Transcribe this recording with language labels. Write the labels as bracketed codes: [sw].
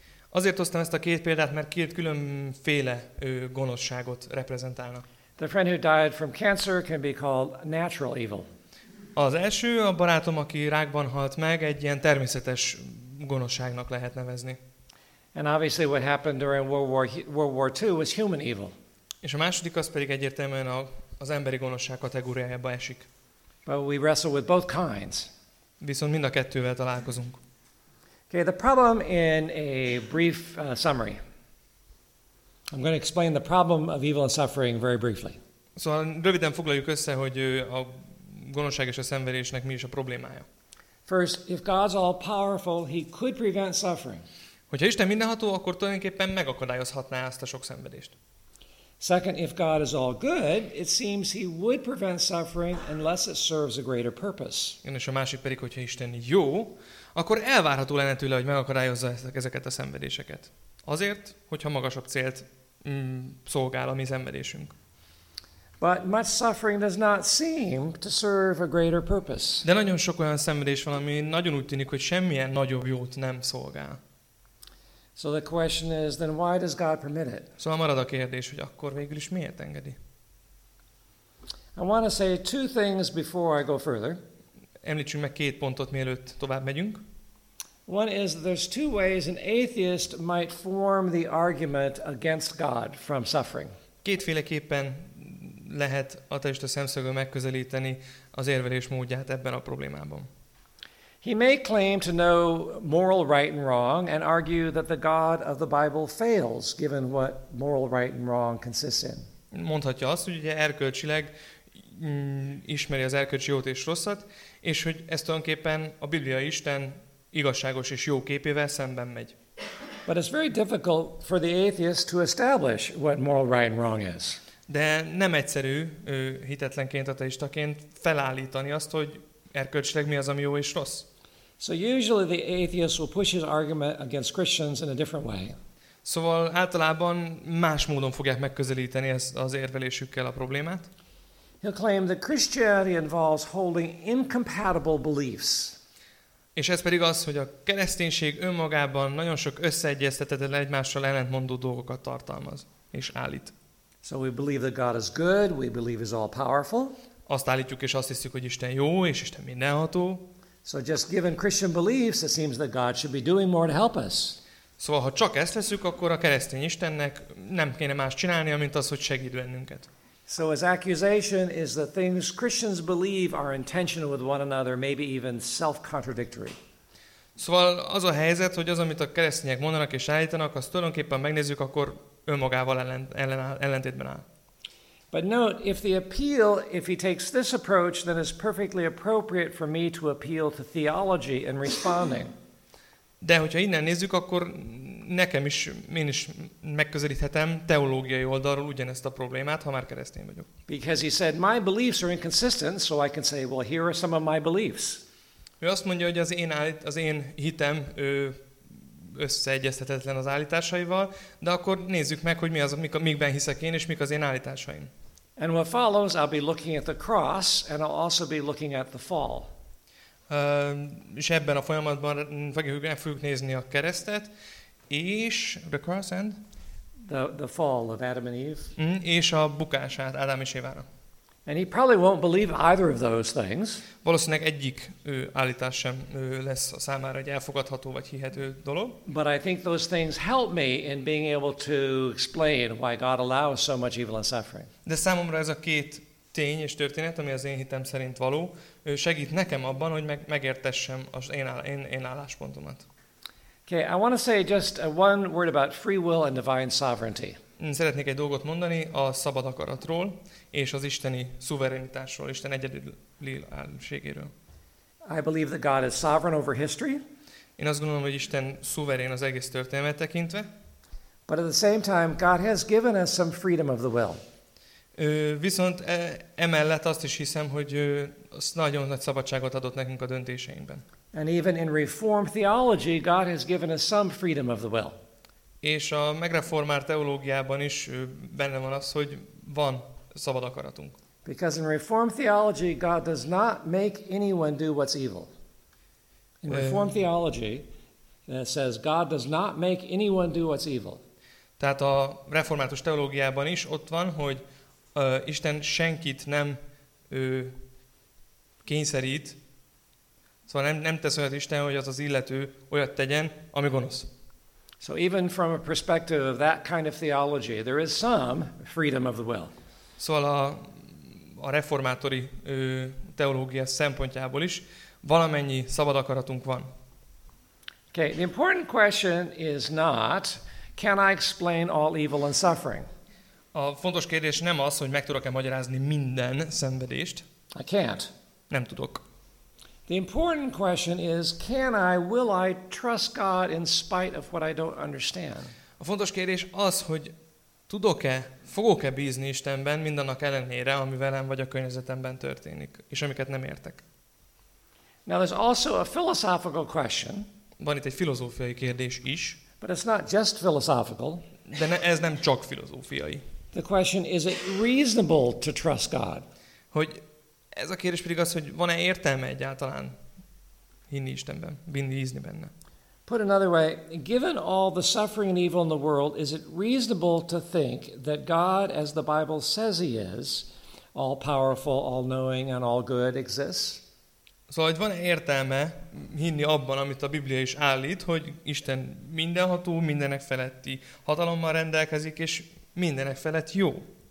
[hu] Azért hoztam ezt a két példát, mert két különféle gonoszságot reprezentálnak. [en] The friend who died from cancer can be called natural evil. [hu] Az első, a barátom, aki rákban halt meg, egy ilyen természetes gonoszságnak lehet nevezni. [en] And obviously what happened during World War II was human evil. [hu] És a második az pedig egyértelműen az emberi gonoszság kategóriájába esik. [en] But we wrestle with both kinds. [hu] Viszont mind a kettővel találkozunk. [en] Ok, Okay, the problem in a brief summary. I'm going to explain the problem of evil and suffering very briefly. [hu] Szóval röviden foglaljuk össze, hogy a gonoszság és a szenvedésnek mi is a problémája. [en] First, if God's all powerful, he could prevent suffering. [hu] Hogyha Isten mindenható, akkor tulajdonképpen megakadályozhatná ezt a sok szenvedést. [en] Second, if God is all good, it seems he would prevent suffering unless it serves a greater purpose. [hu] Igen, és a másik pedig, hogyha Isten jó, akkor elvárható lenne tőle, hogy megakadályozza ezeket a szenvedéseket. Azért, hogyha magasabb célt szolgál a mi szenvedésünk. [en] But much suffering does not seem to serve a greater purpose. [hu] De nagyon sok olyan szenvedés van, ami nagyon úgy tűnik, hogy semmilyen nagyobb jót nem szolgál. [en] So the question is, then why does God permit it? [hu] Szóval marad a kérdés, hogy akkor végül is miért engedi? [en] I want to say two things before I go further. [hu] Említsünk meg két pontot, mielőtt tovább megyünk. [en] One is that there's two ways an atheist might form the argument against God from suffering. [hu] Kétféleképpen lehet ateista szemszögből megközelíteni az érvelés módját ebben a problémában. [en] He may claim to know moral right and wrong and argue that the God of the Bible fails given what moral right and wrong consists in. [hu] Mondhatja azt, hogy ugye erkölcsileg ismeri az erkölcsi jót és rosszat, és hogy ez tulajdonképpen a Biblia Isten igazságos és jó képével szemben megy. [en] But it's very difficult for the atheist to establish what moral right and wrong is. [hu] De nem egyszerű hitetlenként, ateistaként felállítani azt, hogy erkölcsileg mi az, ami jó és rossz. [en] So usually the atheist will push his argument against Christians in a different way. [hu] Szóval általában más módon fogják megközelíteni az érvelésükkel a problémát. [en] He'll claim that Christianity involves holding incompatible beliefs. [hu] És ez pedig az, hogy a kereszténység önmagában nagyon sok összeegyeztetetlen egymással ellentmondó dolgokat tartalmaz és állít. [en] So we believe that God is good, we believe he's all powerful. [hu] Azt állítjuk és azt hiszük, hogy Isten jó és Isten mindenható. [en] So just given Christian beliefs, it seems that God should be doing more to help us. [hu] Szóval, ha csak ezt veszük, akkor a keresztény Istennek nem kéne más csinálnia, mint az, hogy segít bennünket. [en] So his accusation is that things Christians believe are in tension with one another, maybe even self-contradictory. [hu] Szóval az a helyzet, hogy az, amit a keresztények mondanak és állítanak, azt tulajdonképpen megnézzük, akkor önmagával ellentétben áll. [en] But note, if he takes this approach, then it's perfectly appropriate for me to appeal to theology in responding. [hu] De hogyha innen nézzük, akkor nekem is, én is megközelíthetem teológiai oldalról ugyanezt a problémát, ha már keresztény vagyok. [en] Because he said, my beliefs are inconsistent, so I can say, well, here are some of my beliefs. [hu] Ő azt mondja, hogy az én hitem összeegyeztetetlen az állításaival, de akkor nézzük meg, hogy mikben hiszek én, és mik az én állításaim. [en] And what follows, I'll be looking at the cross, and I'll also be looking at the fall. [hu] És ebben a folyamatban fogjuk nézni a keresztet, és [en] the cross and? The fall of Adam and Eve. [hu] És a bukását Ádám és Évára. [en] And he probably won't believe either of those things. [hu] Valószínűleg egyik állítás sem lesz a számára egy elfogadható vagy hihető dolog. [en] But I think those things help me in being able to explain why God allows so much evil and suffering. [hu] De számomra ez a két tény és történet, ami az én hitem szerint való, segít nekem abban, hogy megértessem az én álláspontomat. [en] Okay, I want to say just one word about free will and divine sovereignty. [hu] Szeretnék egy dolgot mondani a szabad akaratról és az isteni szuverenitásról, Isten egyedülállóségéről. [en] I believe that God is sovereign over history. [hu] Én azt gondolom, hogy Isten szuverén az egész történelmet tekintve. [en] But at the same time, God has given us some freedom of the will. [hu] Viszont emellett azt is hiszem, hogy az nagyon nagy szabadságot adott nekünk a döntéseinkben. [en] And even in Reformed theology, God has given us some freedom of the will. [hu] És a megreformált teológiában is benne van az, hogy van szabad akaratunk. [en] Because in Reformed theology, God does not make anyone do what's evil. In Reformed theology, it says God does not make anyone do what's evil. [hu] Tehát a református teológiában is ott van, hogy Isten senkit nem kényszerít, szóval nem tesz olyat Isten, hogy az illető olyat tegyen, ami gonosz. [en] So even from a perspective of that kind of theology, there is some freedom of the will. [hu] Szóval a reformátori teológia szempontjából is valamennyi szabad akaratunk van. [en] Okay, the important question is not, can I explain all evil and suffering? [hu] A fontos kérdés nem az, hogy meg tudok-e magyarázni minden szenvedést. [en] I can't. [hu] Nem tudok. [en] The important question is, can I, will I trust God in spite of what I don't understand? [hu] A fontos kérdés az, hogy tudok-e, fogok-e bízni Istenben mindannak ellenére, ami velem vagy a környezetemben történik, és amiket nem értek. [en] Now there's also a philosophical question. [hu] Van itt egy filozófiai kérdés is. [en] But it's not just philosophical. [hu] De ez nem csak filozófiai. [en] The question is, it reasonable to trust God? [hu] Hogy ez a kérdés pedig az, hogy van-e értelme egyáltalán hinni Istenben, bízni benne. [en] Put another way, given all the suffering and evil in the world, is it reasonable to think that God, as the Bible says he is, all powerful, all knowing and all good, exists? [hu] Szóval, hogy van-e értelme hinni abban, amit a Biblia is állít, hogy Isten mindenható, mindenek feletti hatalommal rendelkezik, és mindenek felett jó?